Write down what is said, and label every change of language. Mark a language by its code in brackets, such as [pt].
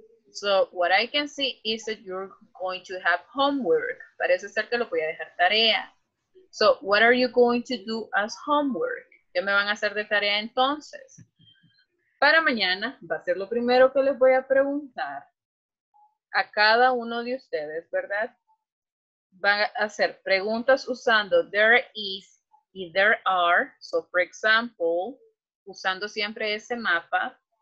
[en] So what I can see is that you're going to have homework. [es] Parece ser que lo voy a dejar tarea. [en] So what are you going to do as homework? [es] ¿Qué me van a hacer de tarea entonces? Para mañana va a ser lo primero que les voy a preguntar a cada uno de ustedes, ¿verdad? Van a hacer preguntas usando there is y there are. [en] So for example, [es] usando siempre ese mapa.